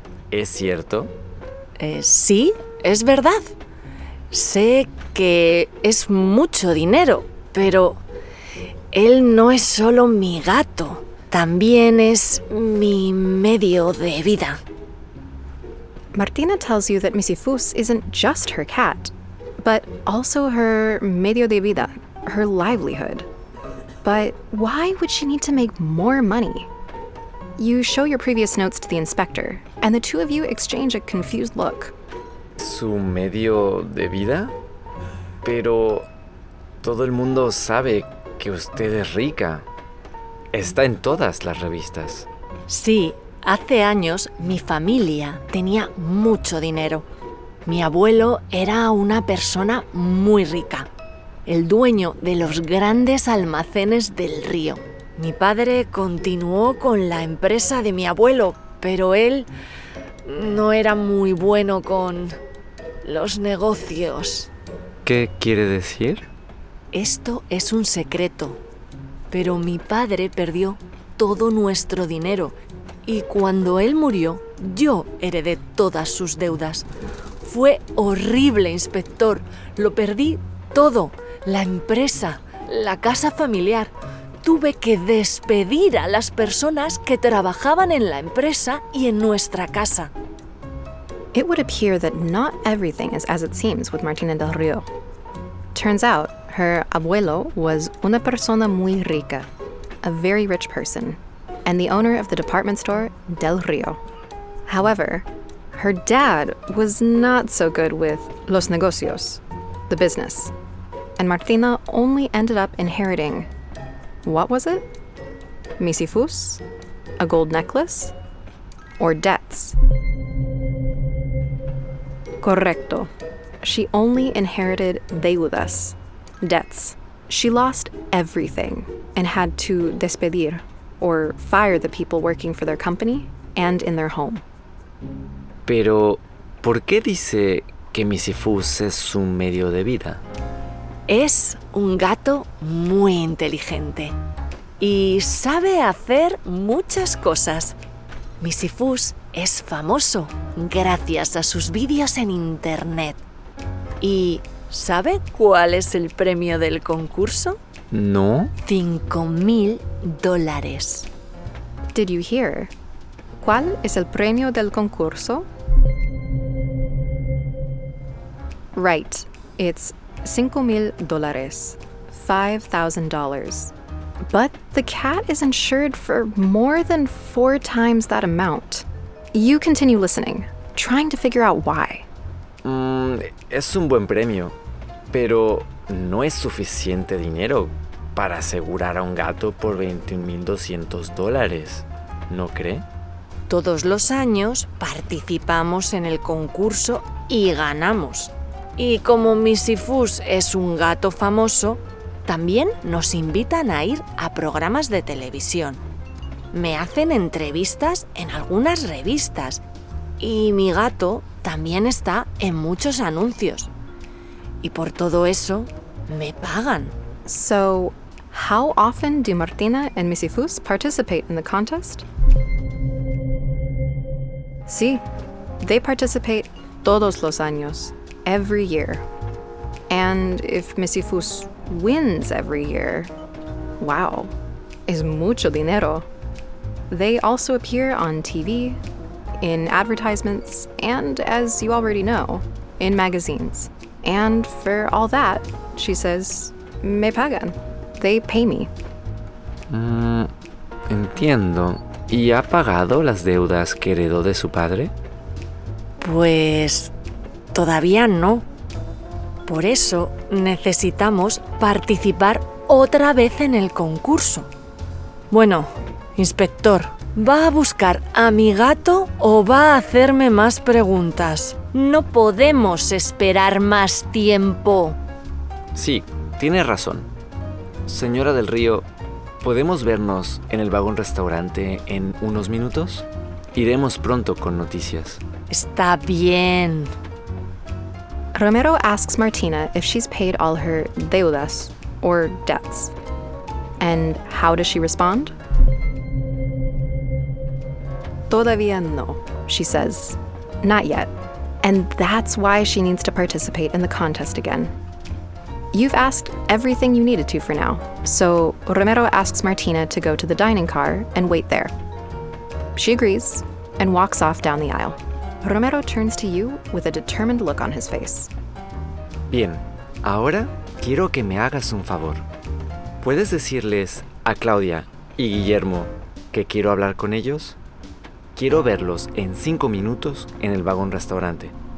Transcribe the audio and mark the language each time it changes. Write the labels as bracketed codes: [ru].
[es] ¿Es cierto? Sí, es verdad. Sé que es mucho dinero, pero él no es solo mi gato. También es mi medio de vida. [en] Martina tells you that Missy Foos isn't just her cat, but also her [es] medio de vida, [en] her livelihood. But why would she need to make more money? You show your previous notes to the inspector, and the two of you exchange a confused look. [es] ¿Su medio de vida? Pero todo el mundo sabe que usted es rica. Está en todas las revistas. Sí, hace años mi familia tenía mucho dinero. Mi abuelo era una persona muy rica, el dueño de los grandes almacenes del río. Mi padre continuó con la empresa de mi abuelo, pero él no era muy bueno con los negocios. ¿Qué quiere decir? Esto es un secreto, pero mi padre perdió todo nuestro dinero y cuando él murió, yo heredé todas sus deudas. Fue horrible, inspector. Lo perdí todo. La empresa, la casa familiar. Tuve que despedir a las personas que trabajaban en la empresa y en nuestra casa. [en] It would appear that not everything is as it seems with Martina del Río. Turns out, her abuelo was [es] una persona muy rica, [en] a very rich person, and the owner of the department store Del Río. However, her dad was not so good with [es] los negocios, [en] the business, and Martina only ended up inheriting, what was it? Missy Foos? A gold necklace? Or debts? [es] Correcto. [en] She only inherited deudas, debts. She lost everything and had to despedir, or fire the people working for their company and in their home. [es] Pero, ¿por qué dice que Missy Foos es su medio de vida? Es un gato muy inteligente y sabe hacer muchas cosas. Missy Foos es famoso gracias a sus vídeos en internet. ¿Y sabe cuál es el premio del concurso? No. $5,000. [en] Did you hear? [es] ¿Cuál es el premio del concurso? [en] Right. It's $5,000. $5,000. But the cat is insured for more than 4 times that amount. You continue listening, trying to figure out why. [es] Es un buen premio, pero no es suficiente dinero para asegurar a un gato por $21,200, ¿no cree? Todos los años participamos en el concurso y ganamos. Y como Missy Foos es un gato famoso, también nos invitan a ir a programas de televisión. Me hacen entrevistas en algunas revistas y mi gato también está en muchos anuncios. Y por todo eso, me pagan. [en] So, how often do Martina and Missy Foos participate in the contest? Sí, they participate [es] todos los años, [en] every year. And if Missy Foos wins every year, wow, [es] es mucho dinero. [en] They also appear on TV, in advertisements, and as you already know, in magazines. And for all that, she says, [es] me pagan. [en] They pay me. [es] Entiendo. ¿Y ha pagado las deudas que heredó de su padre? Pues todavía no. Por eso necesitamos participar otra vez en el concurso. Bueno, inspector, ¿va a buscar a mi gato o va a hacerme más preguntas? No podemos esperar más tiempo. Sí, tiene razón. Señora del Río, ¿podemos vernos en el vagón restaurante en unos minutos? Iremos pronto con noticias. Está bien. [en] Romero asks Martina if she's paid all her deudas, or debts. And how does she respond? [es] Todavía no, [en] she says. Not yet. And that's why she needs to participate in the contest again. You've asked everything you needed to for now, so Romero asks Martina to go to the dining car and wait there. She agrees and walks off down the aisle. Romero turns to you with a determined look on his face. [es] Bien, ahora quiero que me hagas un favor. ¿Puedes decirles a Claudia y Guillermo que quiero hablar con ellos? Quiero verlos en 5 minutos en el vagón restaurante.